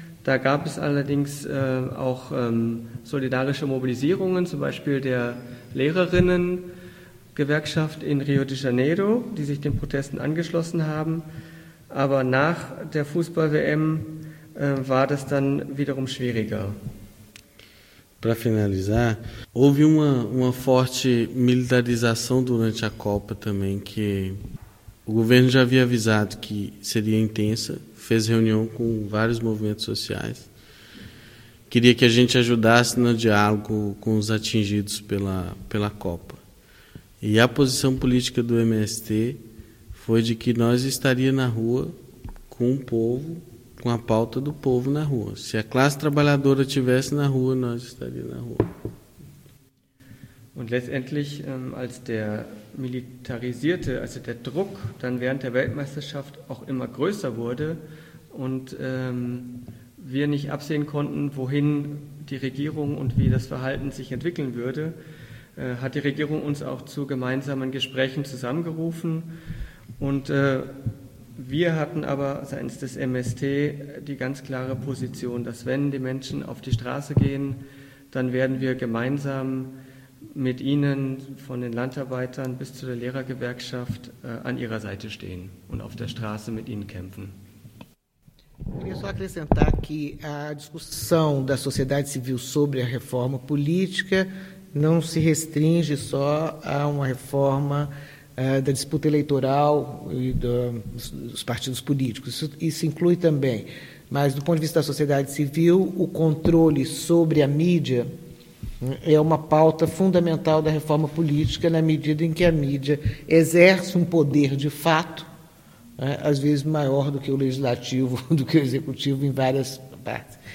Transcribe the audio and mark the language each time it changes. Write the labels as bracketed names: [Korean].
[German] Da gab es allerdings auch solidarische Mobilisierungen, zum Beispiel der Lehrerinnen-Gewerkschaft in Rio de Janeiro, die sich den Protesten angeschlossen haben. Aber nach der Fußball-WM war das dann wiederum schwieriger. [Portuguese] Para finalizar, houve uma forte militarização durante a Copa também, que o governo já havia avisado que seria intensa, fez reunião com vários movimentos sociais, queria que a gente ajudasse no diálogo com os atingidos pela Copa. E a posição política do MST foi de que nós estaríamos na rua com o povo, com a pauta do povo na rua. Se a classe trabalhadora estivesse na rua, nós estaríamos na rua. [German] Und letztendlich, als der militarisierte, also der Druck dann während der Weltmeisterschaft auch immer größer wurde und wir nicht absehen konnten, wohin die Regierung und wie das Verhalten sich entwickeln würde, hat die Regierung uns auch zu gemeinsamen Gesprächen zusammengerufen. Und wir hatten aber seitens des MST die ganz klare Position, dass wenn die Menschen auf die Straße gehen, dann werden wir gemeinsam mit ihnen von den Landarbeitern bis zu der Lehrergewerkschaft an ihrer Seite stehen und auf der Straße mit ihnen kämpfen. [Portuguese] Eu queria só acrescentar que a discussão da sociedade civil sobre a reforma política não se restringe só a uma reforma da disputa eleitoral e dos partidos políticos. Isso inclui também, mas do ponto de vista da sociedade civil, o controle sobre a mídia é uma pauta fundamental da reforma política, na medida em que a mídia exerce um poder de fato, às vezes maior do que o legislativo, do que o executivo, em várias partes.